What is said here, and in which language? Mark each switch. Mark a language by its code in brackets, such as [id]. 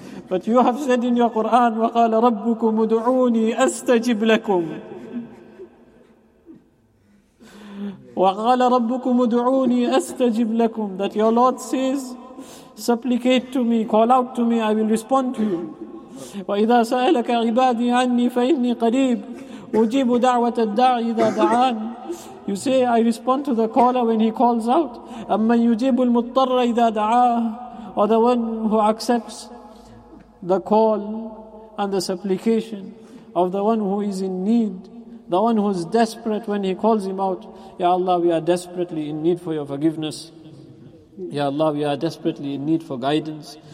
[en] But you have said in your Quran, [ar] وَقَالَ رَبُّكُمُ دُعُونِي أَسْتَجِبْ لَكُمْ [en] وَقَالَ رَبُّكُمُ دُعُونِي أَسْتَجِبْ لَكُمْ, that your Lord says, supplicate to me, call out to me, I will respond to you. [ar] وَإِذَا سَأَلَكَ عِبَادِي عَنِّي فَإِنِّي قَرِيبٌ أُجِيبُ دَعْوَةَ الدَّاعِ إِذَا دَعَانِ, [en] you say, I respond to the caller when he calls out. [ar] أَمَّنْ يُجِيبُ الْمُضْطَرَّ إِذَا دَعَاهُ, [en] or the one who accepts the call and the supplication of the one who is in need, the one who is desperate when he calls him out. Ya Allah, we are desperately in need for your forgiveness. Ya Allah, we are desperately in need for guidance.